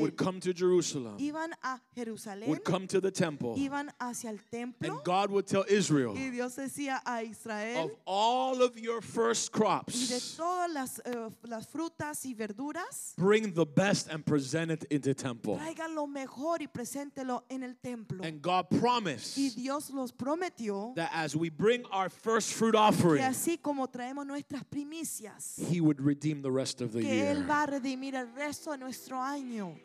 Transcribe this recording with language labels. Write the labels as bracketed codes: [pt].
[en] would come to Jerusalem. [es] Iban a Jerusalén, [en] would come to the temple. [es] Iban hacia el templo, [en] and God would tell Israel, [es] y Dios decía a Israel, [en] of all of your first crops, [es] y de todas las frutas y verduras, [en] bring the best and present it into the temple. [es] Traigan lo mejor y preséntelo en el templo. [en] And God promised, [es] y Dios los prometió, [en] that as we bring our first fruit offering, [es] que así como traemos nuestras primicias, [en] he would redeem the rest of [es] que él va a redimir el resto de nuestro año.